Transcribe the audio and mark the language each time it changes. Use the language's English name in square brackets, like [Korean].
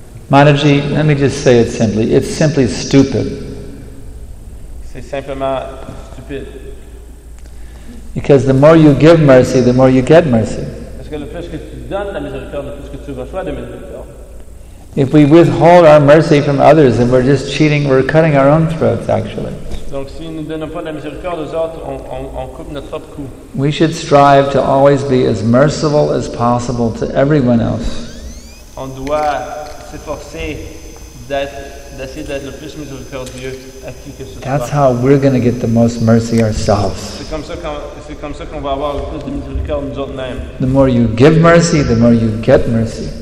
[English] Manaji, let me just say it simply. It's simply stupid. [French] C'est simplement stupide. [English] Because the more you give mercy, the more you get mercy. [French] Parce que le plus que tu donnes la miséricorde, le plus que tu reçois de miséricorde. [English] If we withhold our mercy from others, then we're just cheating, we're cutting our own throats, actually. [French] Donc si nous ne donnons pas de la miséricorde aux autres, on coupe notre propre cou. [English] We should strive to always be as merciful as possible to everyone else. [French] On doit s'efforcer d'essayer d'être le plus miséricordieux à qui que ce soit. [English] That's how we're going to get the most mercy ourselves. [French] C'est comme ça qu'on va avoir le plus de miséricorde nous autres mêmes. [English] The more you give mercy, the more you get mercy.